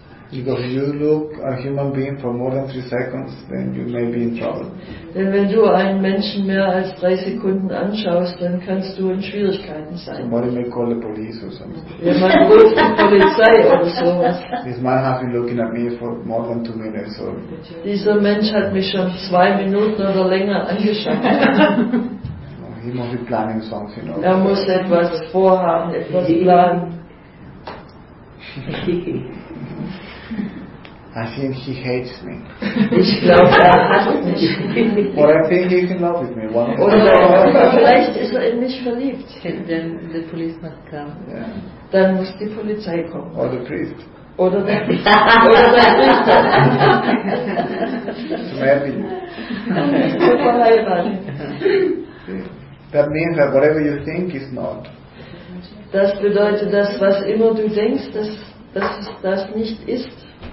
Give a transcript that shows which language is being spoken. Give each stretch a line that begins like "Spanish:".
English: Because if you look a human being for more than 3 seconds, then you may be in trouble.
German: Denn wenn du einen Menschen mehr als 3 Sekunden anschaust, dann kannst du in Schwierigkeiten sein.
English: Somebody may call the police or something.
German: Jemand ruft die Polizei oder sowas.
English: This man has been looking at me for more than 2 minutes. So.
German: Dieser Mensch hat mich schon 2 Minuten oder länger angeschaut.
English: He must be planning something.
German: Er muss etwas vorhaben, etwas planen.
English: I think he hates me.
German: Ich glaube, er hasst mich.
English: Or I think he's in love with me.
German: Vielleicht ist er in mich verliebt.
English: Then the police must come. Yeah.
German: Dann muss die Polizei kommen.
English: Or the priest.
German: Oder der Priester. Oder der Priester.
English: So happy.
German: Verheiratet.
English: That means that whatever you think is not.
German: Das bedeutet, dass was immer du denkst, dass das nicht ist.